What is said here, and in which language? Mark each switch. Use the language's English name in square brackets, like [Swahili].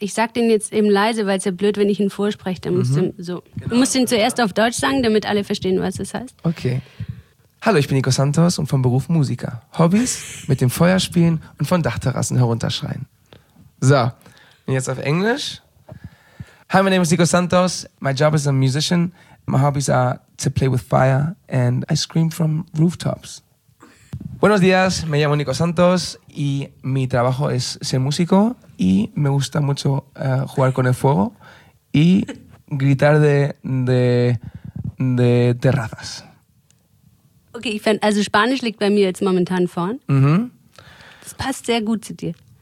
[German] Ich sag den jetzt eben leise, weil es ja blöd, wenn ich ihn vorspreche. Dann musst du musst ihn zuerst auf Deutsch sagen, damit alle verstehen, was das heißt. Okay. Hallo, ich bin Nico Santos und vom Beruf Musiker. Hobbys? Mit dem Feuer spielen und von Dachterrassen herunterschreien. So, und jetzt auf Englisch. [English] Hi, my name is Nico Santos. My job is a musician. My hobbies are to play with fire and I scream from rooftops. [Spanish] Buenos días, me llamo Nico Santos y mi trabajo es ser músico y me gusta mucho jugar con el fuego y gritar de terrazas. [German] Okay, ich fand, also Spanisch liegt bei mir jetzt momentan vorn. Mm-hmm. Das passt sehr gut zu dir.